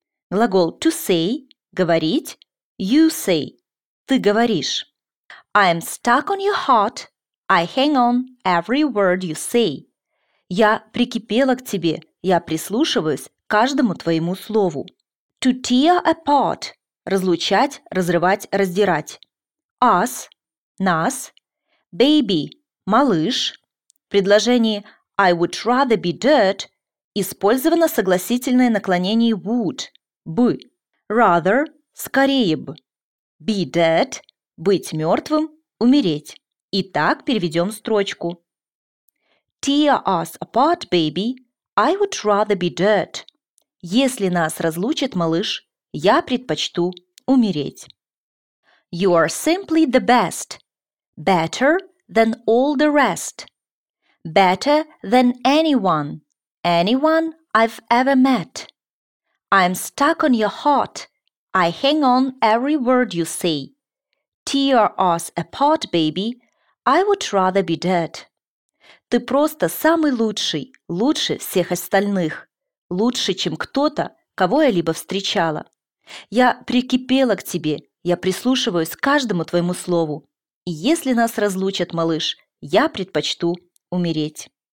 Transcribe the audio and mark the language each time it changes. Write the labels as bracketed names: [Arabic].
[Russian] Глагол to say. Говорить. [English] You say. [Russian] Ты говоришь. [English] I'm stuck on your heart. I hang on every word you say. [Russian] Я прикипела к тебе. Я прислушиваюсь каждому твоему слову. [English] To tear apart [Russian] – разлучать, разрывать, раздирать. Us – нас. Baby – малыш. В предложении [English] I would rather be dirt [Russian] использовано согласительное наклонение would – бы. Rather – скорее бы. [English] Be dead [Russian] – быть мертвым, умереть. Итак, переведем строчку. [English] Tear us apart, baby. I would rather be dirt. [Russian] Если нас разлучит, малыш, я предпочту умереть. [English] You are simply the best. Better than all the rest. Better than anyone. Anyone I've ever met. I'm stuck on your heart. I hang on every word you say. Tear us apart, baby. I would rather be dead. [Russian] Ты просто самый лучший, лучше всех остальных. Лучше, чем кто-то, кого я либо встречала. Я прикипела к тебе, я прислушиваюсь к каждому твоему слову. И если нас разлучат, малыш, я предпочту умереть.